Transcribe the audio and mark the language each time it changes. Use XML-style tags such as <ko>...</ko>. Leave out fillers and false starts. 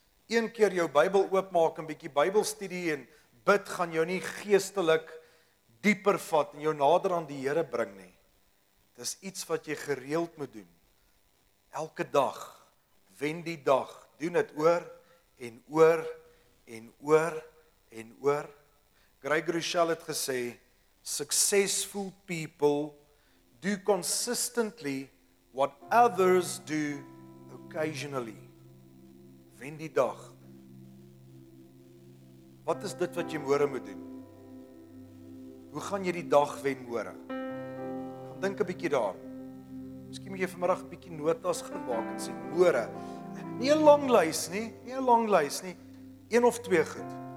<af>Een keer jou Bybel oopmaak en bietjie Bybelstudie en bid gaan jou nie geestelik dieper vat en jou nader aan die Here bring nie. Dis iets wat jy gereeld moet doen. Elke dag, wen die dag, doen dit oor en oor en oor en oor.</af> <en>Greg Rochelle</en> <af>het gesê,</af> <en>successful people do consistently what others do occasionally.</en> <af>Wen die dag. Wat is dit wat jy môre moet doen? Hoe gaan jy die dag wen môre? Gaan dink 'n bietjie daar. Miskien moet jy vanmiddag 'n bietjie notas gaan maak en sê, môre, nie 'n lang lys nie, een of twee goed.</af>